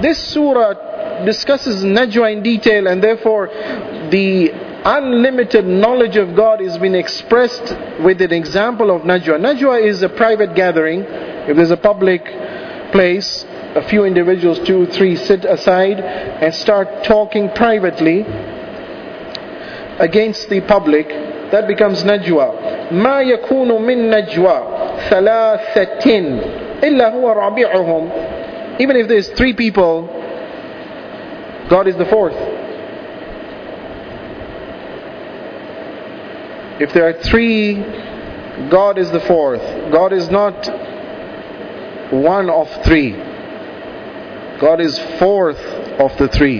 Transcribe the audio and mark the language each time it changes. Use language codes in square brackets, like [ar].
[en] This surah discusses najwa in detail, and therefore the unlimited knowledge of God has been expressed with an example of Najwa. Najwa is a private gathering. If there's a public place, a few individuals, two, three, sit aside and start talking privately against the public, that becomes Najwa. [ar] ما يكون من نجوى ثلاثتين إلا هو رابعهم. [en] Even if there's three people, God is the fourth. If there are three, God is the fourth. God is not one of three. God is fourth of the three.